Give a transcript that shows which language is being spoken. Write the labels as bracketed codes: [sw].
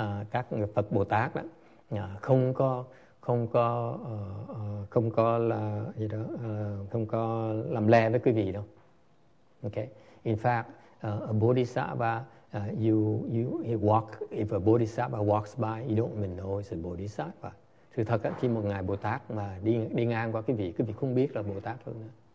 [vi] Các Phật Bồ Tát đó không có làm lè với quý vị đâu. [en] Okay. In fact, a Bodhisattva, if a Bodhisattva walks by, you don't even know it's a Bodhisattva. [vi] Sự thật đó, khi một ngài Bồ Tát mà đi ngang qua quý vị không biết là Bồ Tát luôn.